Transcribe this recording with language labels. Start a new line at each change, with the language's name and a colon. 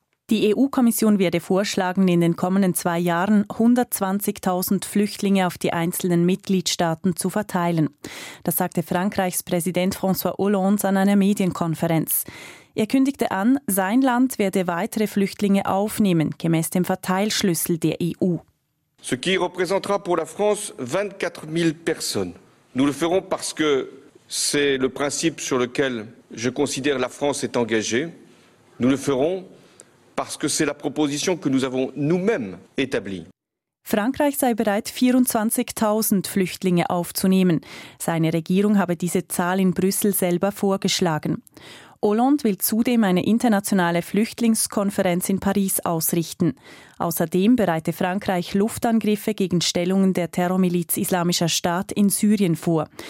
German: Die EU-Kommission werde vorschlagen, in den kommenden 2 Jahren 120.000 Flüchtlinge auf die einzelnen Mitgliedstaaten zu verteilen. Das sagte Frankreichs Präsident François Hollande an einer Medienkonferenz. Er kündigte an, sein Land werde weitere Flüchtlinge aufnehmen, gemäß dem Verteilschlüssel der EU.
French: Ce qui représentera pour la France 24.000 personnes. Nous le ferons parce que c'est le principe sur lequel je considère la France est engagée. Nous le ferons parce que c'est la proposition que nous avons nous-mêmes établie.
German: Frankreich sei bereit, 24.000 Flüchtlinge aufzunehmen. Seine Regierung habe diese Zahl in Brüssel selber vorgeschlagen. Hollande will zudem eine internationale Flüchtlingskonferenz in Paris ausrichten. Außerdem bereite Frankreich Luftangriffe gegen Stellungen der Terrormiliz Islamischer Staat in Syrien vor.